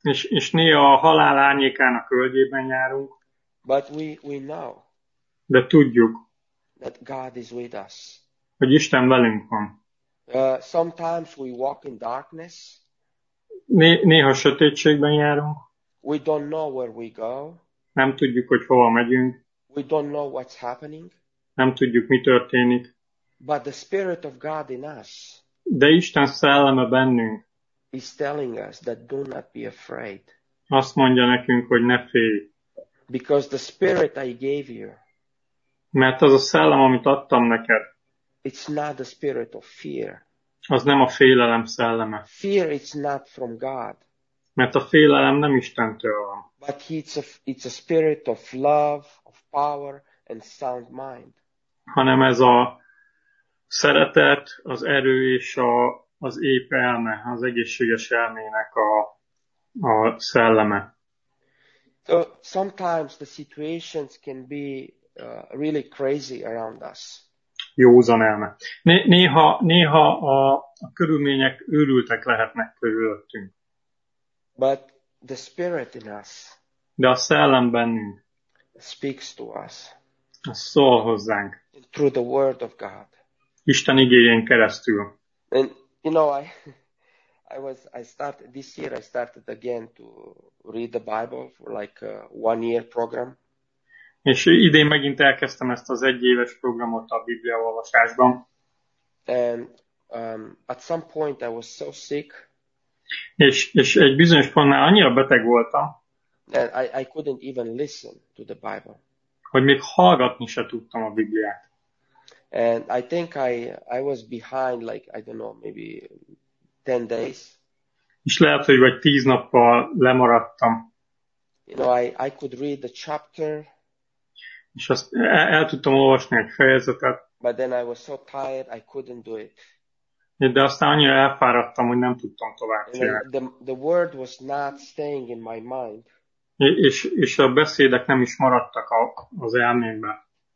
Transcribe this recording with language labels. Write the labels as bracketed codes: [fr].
[hu] És néha a halál árnyékának völgyében járunk. [en] But we know. [hu] De tudjuk. [en] That God is with us. [hu] Hogy Isten velünk van. [en] Sometimes we walk in darkness. [hu] Néha sötétségben járunk. [en] We don't know where we go. [hu] Nem tudjuk, hogy hova megyünk. [en] We don't know what's happening. [hu] Nem tudjuk, mi történik. [en] But the Spirit of God in us. [hu] De Isten szelleme bennünk. [en] Is telling us that do not be afraid. [hu] Azt mondja nekünk, hogy ne félj. [en] Because the Spirit I gave you. [hu] Mert az a szellem, amit adtam neked. [en] It's not the spirit of fear. [hu] Az nem a félelem szelleme. [en] Fear is not from God. [hu] Mert a félelem nem Istentől van. [en] But it's a spirit of love, of power and sound mind. [hu] Hanem ez a szeretet, az erő és az épp elme, az egészséges elmének a szelleme. [en] So sometimes the situations can be really crazy around us. [hu] Józan elme. Néha a körülmények őrültek lehetnek körülöttünk. [en] But the spirit in us. [hu] De a szellem bennünk. [en] Speaks to us. [hu] Szól hozzánk. [en] Through the word of God. [hu] Isten igéjén keresztül. [en] And you know I started again to read the Bible for like a 1 year program. [hu] És idén megint elkezdtem ezt az egyéves programot a Biblia olvasásban. [en] And at some point I was so sick. [hu] És egy bizonyos pontnál annyira beteg voltam, [en] that I couldn't even listen to the Bible. [hu] Hogy még hallgatni se tudtam a Bibliát. [en] And I think I was behind like, I don't know, maybe 10 days. [hu] És lehet, hogy vagy 10 nappal lemaradtam. [en] You know, I could read the chapter. [hu] És azt el tudtam olvasni egy fejezetet. [en] But then I was so tired, I couldn't do it. [hu] De aztán annyira elfáradtam, hogy nem tudtam tovább csinálni. [en] The word was not staying in my mind. [hu] És a beszédek nem is maradtak az elmémbe.